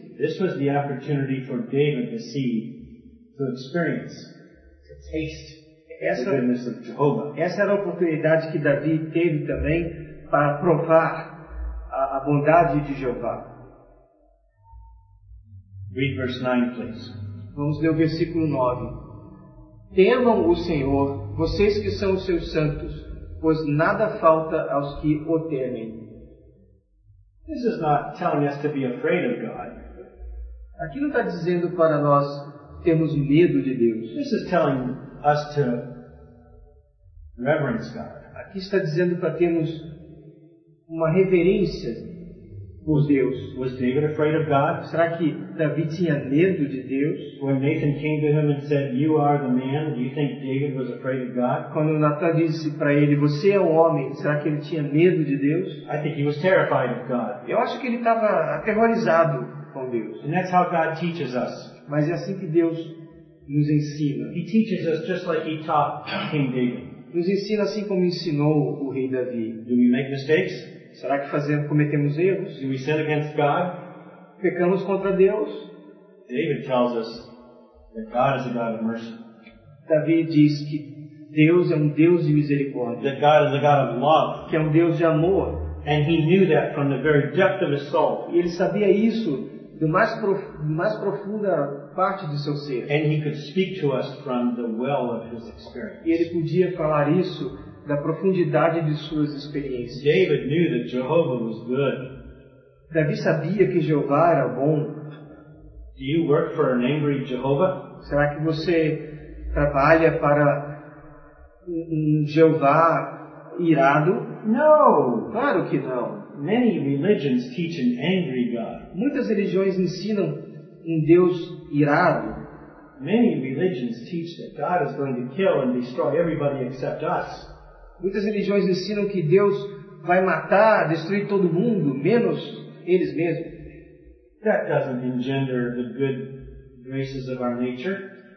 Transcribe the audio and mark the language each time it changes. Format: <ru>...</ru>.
<en>This was the opportunity for David to see, to experience, to taste the goodness of Jehovah.</en> <pt>Essa era a oportunidade que Davi teve também para provar a bondade de Jeová.</pt> <en>Read verse 9, please.</en> <pt>Vamos ler o versículo 9. Temam o Senhor, vocês que são os seus santos, pois nada falta aos que o temem.</pt> <en>This is not telling us to be afraid of God.</en> <pt>Aqui não está dizendo para nós termos medo de Deus.</pt> <en>This is telling us to reverence God.</en> <pt>Aqui está dizendo para termos uma reverência por Deus.</pt> <en>Was David afraid of God?</en> <pt>Será que Davi tinha medo de Deus?</pt> <en>When Nathan came to him and said, "You are the man," do you think David was afraid of God?</en> <pt>Quando Natã disse para ele, "Você é o homem," será que ele tinha medo de Deus?</pt> <en>I think he was terrified of God.</en> <pt>Eu acho que ele estava aterrorizado com Deus.</pt> <en>And that's how God teaches us.</en> <pt>Mas é assim que Deus nos ensina.</pt> <en>He teaches us just like he taught King David.</en> <pt>Nos ensina assim como ensinou o rei Davi.</pt> <en>Do we make mistakes?</en> <pt>Será que cometemos erros?</pt> <en>Do we sin against God?</en> <pt>Pecamos contra Deus?</pt> <en>David tells us that God is a God of mercy.</en> <pt>Davi diz que Deus é um Deus de misericórdia.</pt> <en>That God is a God of love.</en> <pt>Que é um Deus de amor.</pt> <en>And he knew that from the very depth of his soul.</en> <pt>E ele sabia isso do mais profunda parte do seu ser.</pt> <en>And he could speak to us from the well of his experience.</en> <pt>E ele podia falar isso da profundidade de suas experiências.</pt> <en>David knew that Jehovah was good.</en> <pt>Davi sabia que Jeová era bom.</pt> <en>Do you work for an angry Jehovah?</en> <pt>Será que você trabalha para um Jeová irado?</pt> <en>No,</en> <pt>claro que não.</pt> <en>Many religions teach an angry God.</en> <pt>Muitas religiões ensinam um Deus irado.</pt> <en>Many religions teach that God is going to kill and destroy everybody except us.</en> <pt>Muitas religiões ensinam que Deus vai matar, destruir todo mundo, menos eles mesmos.</pt> <en>That doesn't engender the good graces of our nature.</en>